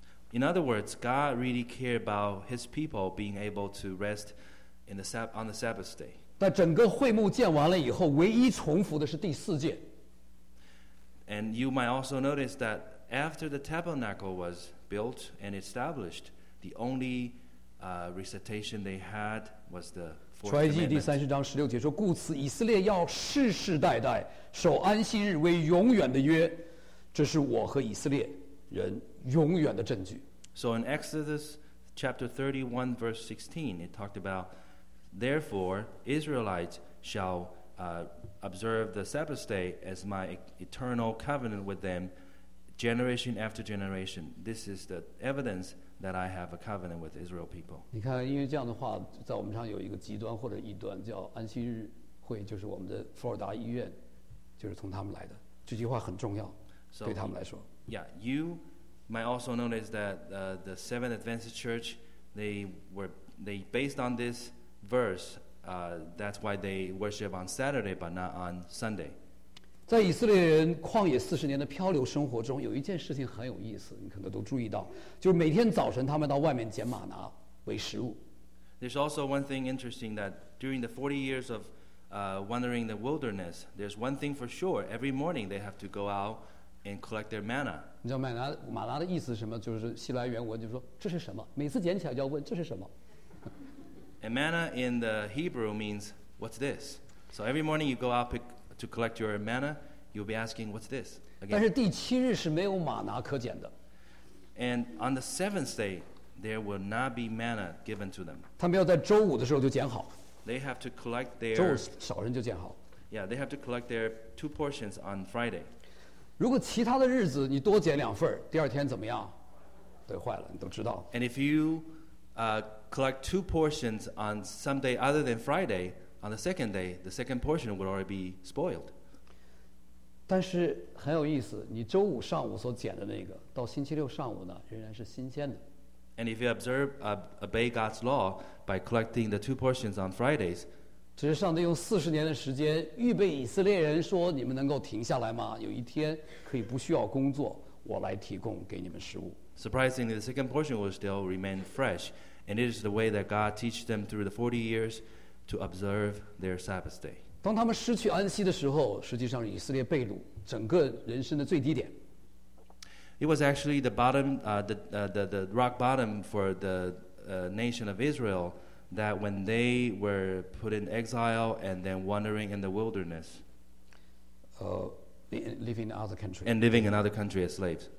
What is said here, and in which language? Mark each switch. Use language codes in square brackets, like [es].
[en] In other words, God really cared about His people being able to rest in the on the Sabbath day. [zh] 但整个会幕建完了以后，唯一重复的是第四诫。 [en] And you might also notice that after the tabernacle was built and established, the only recitation they had was the fourth [zh] 出埃及第30:16说：“故此以色列要世世代代守安息日为永远的约，这是我和以色列人永远的证据。” [en] So in Exodus chapter 31 verse 16, it talked about. Therefore, Israelites shall observe the Sabbath day as my eternal covenant with them, generation after generation. This is the evidence that I have a covenant with Israel people. [zh] 你看，因为这样的话，在我们上有一个极端或者异端，叫安息日会，就是我们的佛罗里达医院，就是从他们来的。这句话很重要，对他们来说。 [en] Yeah, you might also notice that the Seventh Adventist Church, they based on this verse, that's why they worship on Saturday but not on Sunday. [zh] 在以色列人旷野四十年的漂流生活中，有一件事情很有意思，你可能都注意到，就是每天早晨他们到外面捡玛拿为食物。 [en] There's also one thing interesting that during the 40 years of wandering the wilderness, there's one thing for sure, every morning they have to go out and collect their manna. [zh] 你知道玛拿的意思是什么？就是希伯来原文就是说这是什么？每次捡起来就要问这是什么。 [en] And manna in the Hebrew means what's this? So every morning you go out pick. To collect your manna, you'll be asking, "What's this?" Again. [zh] 但是第七日是没有玛拿可捡的。 [en] And on the seventh day, there will not be manna given to them. [zh] 他们要在周五的时候就捡好。 [en] They have to collect their. [zh] 周五少人就捡好。 [en] Yeah, they have to collect their two portions on Friday. [zh] 如果其他的日子你多捡两份，第二天怎么样？对，坏了，你都知道。 [en] And if you, collect two portions on some day other than Friday. On the second day, the second portion would already be spoiled. [zh] 但是很有意思，你周五上午所捡的那个，到星期六上午呢，仍然是新鲜的。 [en] And if you observe, obey God's law by collecting the two portions on Fridays, [zh] 只是上帝用四十年的时间预备以色列人，说你们能够停下来吗？有一天可以不需要工作，我来提供给你们食物。 [en] Surprisingly, the second portion will still remain fresh, and it is the way that God teaches them through the 40 years. To observe their Sabbath day. [zh] 当他们失去安息的时候，实际上以色列被掳，整个人生的最低点。 [en] It was actually the bottom, the rock bottom for the nation of Israel that when they were put in exile and then wandering in the wilderness, living in other country. And living in other country as slaves.